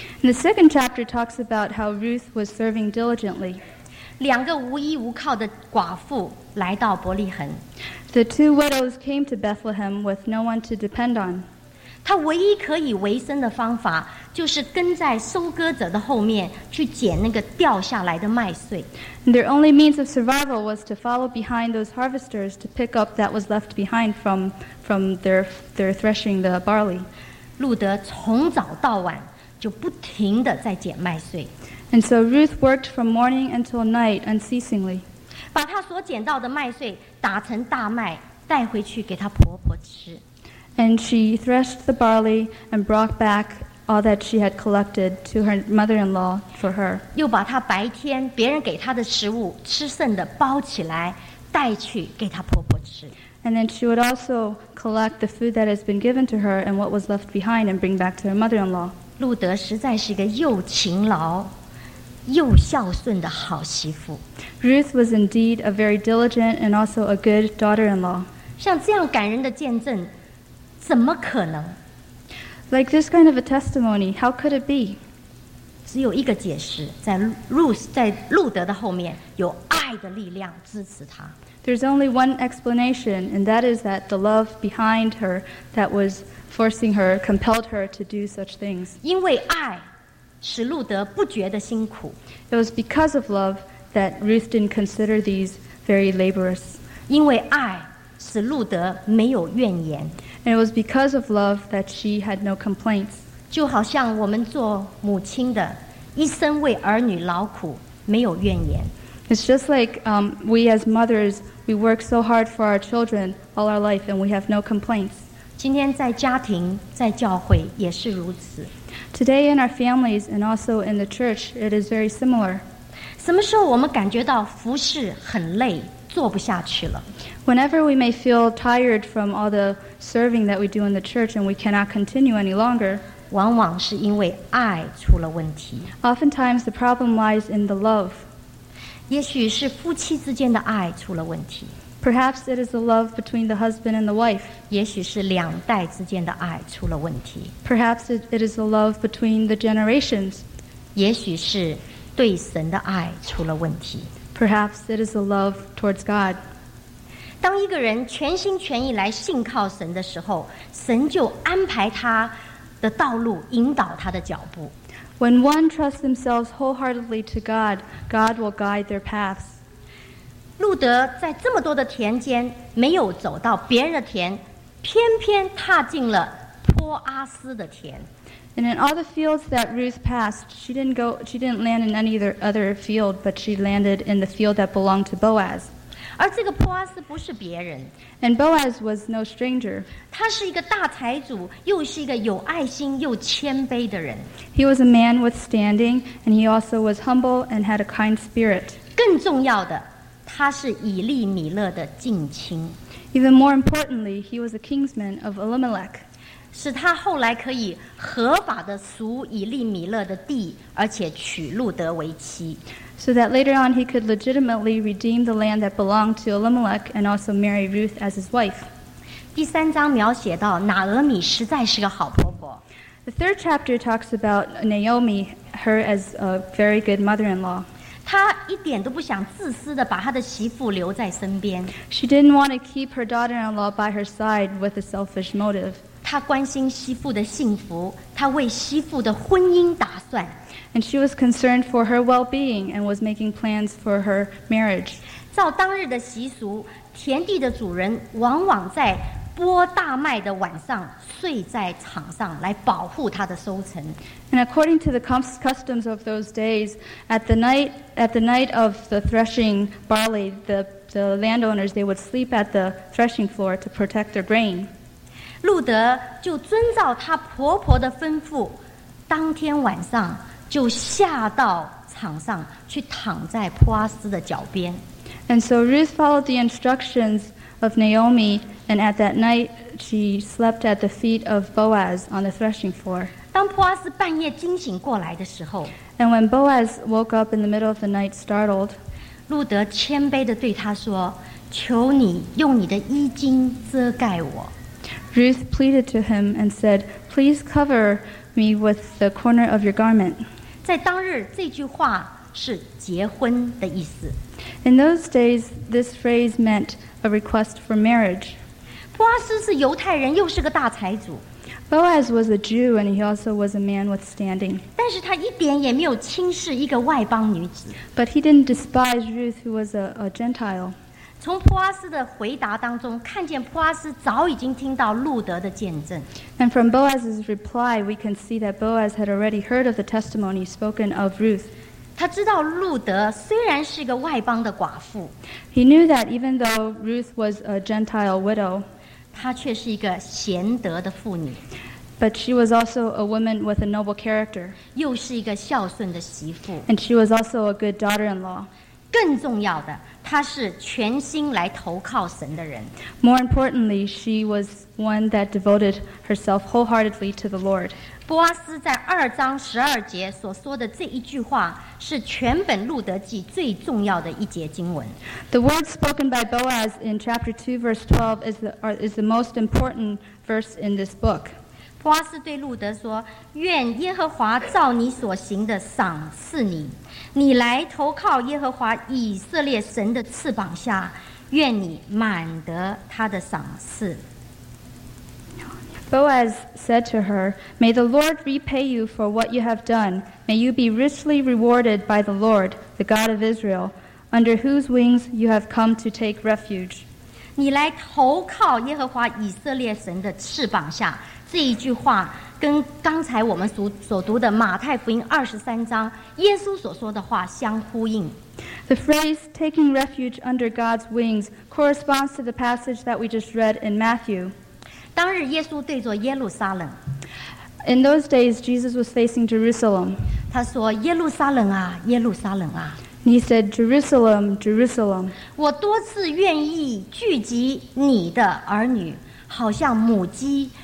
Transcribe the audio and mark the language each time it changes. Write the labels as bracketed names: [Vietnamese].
[English] And the second chapter talks about how Ruth was serving diligently. [Chinese] 两个无依无靠的寡妇来到伯利恒。 [English] The two widows came to Bethlehem with no one to depend on. [Chinese] 她唯一可以维生的方法就是跟在收割者的后面去捡那个掉下来的麦穗。 [English] And their only means of survival was to follow behind those harvesters to pick up that was left behind from their threshing the barley. [Chinese] 路德从早到晚就不停地在捡麦穗。 [English] And so Ruth worked from morning until night unceasingly. [Chinese] 把她所捡到的麦穗打成大麦，带回去给她婆婆吃。 [English] And she threshed the barley and brought back all that she had collected to her mother-in-law for her. [Chinese] 又把她白天别人给她的食物吃剩的包起来，带去给她婆婆吃。 [English] And then she would also collect the food that has been given to her and what was left behind and bring back to her mother-in-law. [Chinese] 路德实在是一个又勤劳又孝顺的好媳妇。 [English] Ruth was indeed a very diligent and also a good daughter-in-law. [Chinese] 像这样感人的见证，怎么可能？ [English] Like this kind of a testimony, how could it be? [Chinese] 只有一个解释，在路德的后面有爱的力量支持她。 [English] There's only one explanation, and that is that the love behind her that was forcing her, compelled her to do such things. [Chinese] 因为爱使路德不觉得辛苦。 [English] It was because of love that Ruth didn't consider these very laborious. [Chinese] 因为爱使路德没有怨言。 [English] And it was because of love that she had no complaints. [Chinese] 就好像我们做母亲的，一生为儿女劳苦，没有怨言。 [English] It's just like we as mothers, we work so hard for our children all our life and we have no complaints. [Chinese] 今天在家庭在教会也是如此。 [English] Today in our families and also in the church, it is very similar. [Chinese] 什么时候我们感觉到服事很累，做不下去了？ [English] Whenever we may feel tired from all the serving that we do in the church and we cannot continue any longer, [Chinese] 往往是因为爱出了问题。 [English] Oftentimes the problem lies in the love. [Chinese] 也许是夫妻之间的爱出了问题。 [English] Perhaps it is the love between the husband and the wife. [Chinese] 也许是两代之间的爱出了问题。 [English] Perhaps it is the love between the generations. [Chinese] 也许是对神的爱出了问题。 [English] Perhaps it is the love towards God. [Chinese] 当一个人全心全意来信靠神的时候，神就安排他的道路，引导他的脚步。 [English] When one trusts themselves wholeheartedly to God, God will guide their paths. [Chinese] 路德在这么多的田间没有走到别人的田，偏偏踏进了波阿斯的田。 [English] And in all the fields that Ruth passed, she didn't land in any other field, but she landed in the field that belonged to Boaz. [Chinese] 而这个波阿斯不是别人。 [English] And Boaz was no stranger. [Chinese] 他是一个大财主，又是一个有爱心又谦卑的人。 [English] He was a man with standing, and he also was humble and had a kind spirit. [Chinese] 更重要的，他是以利米勒的近亲。 [English] Even more importantly, he was a kinsman of Elimelech. [Chinese] 使他后来可以合法的赎以利米勒的地，而且娶路德为妻。 [English] So that later on he could legitimately redeem the land that belonged to Elimelech and also marry Ruth as his wife. [Chinese] 第三章描写到拿俄米实在是个好婆婆。 [English] The third chapter talks about Naomi, her as a very good mother-in-law. [Chinese] 她一点都不想自私地把她的媳妇留在身边。 [English] She didn't want to keep her daughter-in-law by her side with a selfish motive. [Chinese] 她关心媳妇的幸福，她为媳妇的婚姻打算。 [English] And she was concerned for her well-being and was making plans for her marriage. [Chinese] 照当日的习俗，田地的主人往往在播大麦的晚上睡在场上来保护他的收成。 [English] And according to the customs of those days, at the night of the threshing barley, the landowners, they would sleep at the threshing floor to protect their grain. [Chinese] 路德就遵照他婆婆的吩咐，当天晚上就下到场上去躺在波阿斯的脚边。 [English] And so Ruth followed the instructions of Naomi, and at that night she slept at the feet of Boaz on the threshing floor. [Chinese] 当波阿斯半夜惊醒过来的时候 [English] ，And when Boaz woke up in the middle of the night startled, [Chinese] 路德谦卑地对他说：“求你用你的衣襟遮盖我。” [English] Ruth pleaded to him and said, "Please cover me with the corner of your garment." [Chinese] 在当日，这句话是结婚的意思。 [English] In those days, this phrase meant a request for marriage. [Chinese] 波阿斯是犹太人，又是个大财主。 [English] Boaz was a Jew, and he also was a man with standing. [Chinese] 但是他一点也没有轻视一个外邦女子。 [English] But he didn't despise Ruth, who was a Gentile. [Chinese] 从波阿斯的回答当中，看见波阿斯早已经听到路德的见证。 [English] And from Boaz's reply, we can see that Boaz had already heard of the testimony spoken of Ruth. [Chinese] 他知道路德虽然是个外邦的寡妇 [English] ，He knew that even though Ruth was a Gentile widow, [Chinese] 她却是一个贤德的妇女。 [English] But she was also a woman with a noble character. [Chinese] 又是一个孝顺的媳妇。 [English] And she was also a good daughter-in-law. [Chinese] 更重要的。她是全心来投靠神的人。 [English] More importantly, she was one that devoted herself wholeheartedly to the Lord. [Chinese] 波阿斯在二章十二节所说的这一句话，是全本路德记最重要的一节经文。 [English] The words spoken by Boaz in chapter 2, verse 12 is the most important verse in this book. [Chinese] 波阿斯对路德说：“愿耶和华照你所行的赏赐你。” 你来投靠耶和华以色列神的翅膀下，愿你满得他的赏赐。 [English] Boaz said to her, May the Lord repay you for what you have done. May you be richly rewarded by the Lord, the God of Israel, under whose wings you have come to take refuge. [Chinese] 你来投靠耶和华以色列神的翅膀下，这一句话跟刚才我们所读的马太福音二十三章耶稣所说的话相呼应。 [English] The phrase taking refuge under God's wings corresponds to the passage that we just read in Matthew. [Chinese] 当日耶稣对着耶路撒冷。 [English] In those days, Jesus was facing Jerusalem. [Chinese] 他说：“耶路撒冷啊，耶路撒冷啊。” [English] He said, "Jerusalem, Jerusalem." [Chinese] 我多次愿意聚集你的儿女，好像母鸡。